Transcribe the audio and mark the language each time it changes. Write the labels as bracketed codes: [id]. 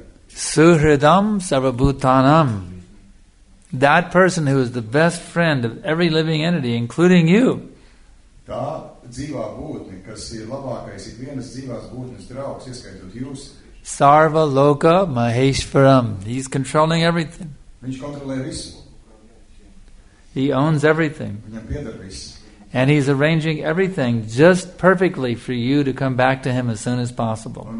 [sa] Suhridam sarvabhutanam. [en] That person who is the best friend of every living entity, including you. [lv] Tā dzīvā būtne, kas ir labākais ikvienas dzīvās būtnes draugs, ieskaitot jūs. [sa] Sarva loka maheshvaram. [en] He's controlling everything. [lv] Viņš kontrolē visu. [en] He owns everything. [lv] Viņam pieder viss. [en] And he's arranging everything just perfectly for you to come back to him as soon as possible.